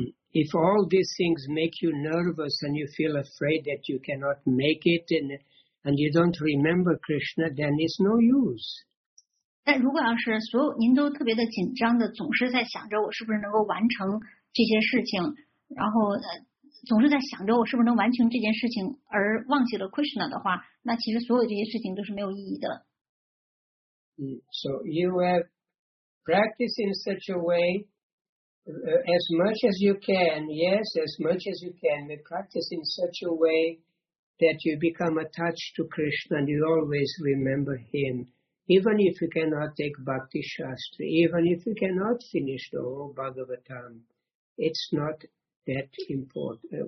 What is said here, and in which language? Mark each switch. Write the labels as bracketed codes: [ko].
[en] If all these things make you nervous and you feel afraid that you cannot make it and you don't remember Krishna, then it's no use. [zh] 但如果要是所有您都特别的紧张的，总是在想着我是不是能够完成这些事情，然后总是在想着我是不是能完成这件事情而忘记了 Krishna 的话，那其实所有这些事情都是没有意义的。 [en] So you have practice in such a way as much as you can. Yes, as much as you can. You practice in such a way that you become attached to Krishna and you always remember him. Even if you cannot take Bhakti Shastri, even if you cannot finish the whole Bhagavatam, it's not that important.